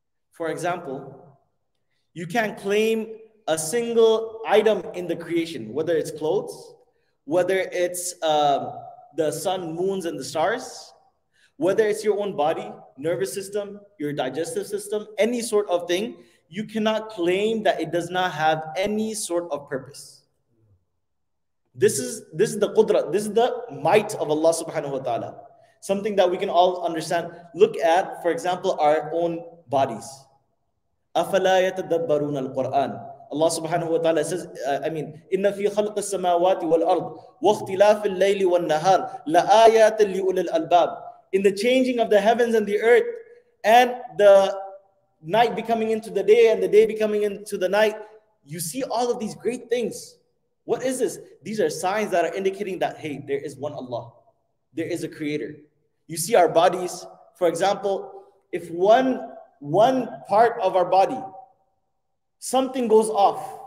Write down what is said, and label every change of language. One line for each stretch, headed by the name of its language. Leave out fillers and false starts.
English: For example, you can't claim a single item in the creation, whether it's clothes, whether it's the sun, moons, and the stars, whether it's your own body, nervous system, your digestive system, any sort of thing, you cannot claim that it does not have any sort of purpose. This is the qudra, this is the might of Allah subhanahu wa ta'ala. Something that we can all understand. Look at, for example, our own bodies.
Arabic: أَفَلَا يَتَدَبَّرُونَ الْقُرْآنَ.
English: Allah subhanahu wa ta'ala says,
Arabic: إِنَّ فِي خَلْقِ السَّمَاوَاتِ وَالْأَرْضِ وَاخْتِلَافِ اللَّيْلِ وَالنَّهَارِ لَآيَاتٍ لِأُولِي الْأَلْبَابِ.
English: In the changing of the heavens and the earth, and the night becoming into the day, and the day becoming into the night, you see all of these great things. What is this? These are signs that are indicating that, hey, there is one Allah. There is a creator. You see our bodies, for example, if one part of our body, something goes off.